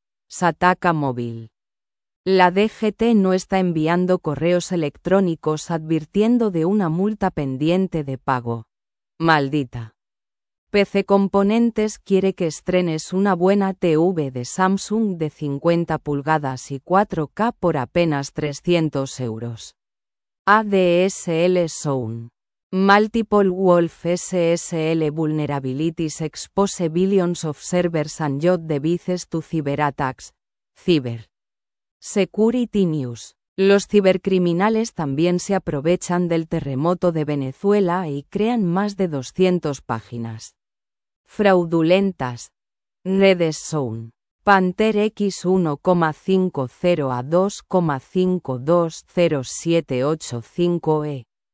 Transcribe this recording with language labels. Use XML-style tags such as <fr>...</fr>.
<es>Sataka Móvil. La DGT no está enviando correos electrónicos advirtiendo de una multa pendiente de pago. Maldita. PC Componentes quiere que estrenes una buena TV de Samsung de 50 pulgadas y 4K por apenas 300 euros. ADSL Zone.</es> <en>Multiple Wolf SSL Vulnerabilities Expose Billions of Servers and Your Devices to Cyber Attacks. Cyber Security News.</en> <es>Los cibercriminales también se aprovechan del terremoto de Venezuela y crean más de 200 páginas fraudulentas. Redes Zone. Panther X 1,50 a 2,520785E.</es>